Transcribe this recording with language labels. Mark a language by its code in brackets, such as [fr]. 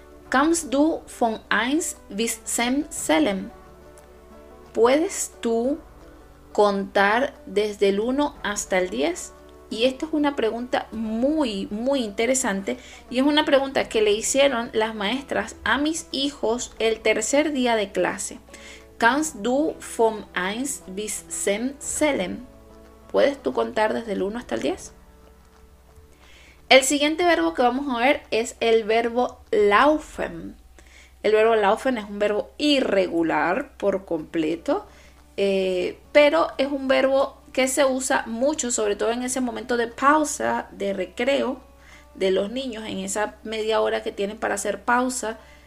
[de] ¿Kannst du von 1 bis 10 selen? [es] ¿Puedes tú contar desde el 1 hasta el 10? Y esta es una pregunta muy, muy interesante y es una pregunta que le hicieron las maestras a mis hijos el tercer día de clase. [de] ¿Kannst du von 1 bis 10 zählen? [es] ¿Puedes tú contar desde el 1 hasta el 10? El siguiente verbo que vamos a ver es el verbo laufen. El verbo laufen es un verbo irregular por completo, pero es un verbo que se usa mucho, sobre todo en ese momento de pausa, de recreo de los niños, en esa media hora que tienen para hacer pausa.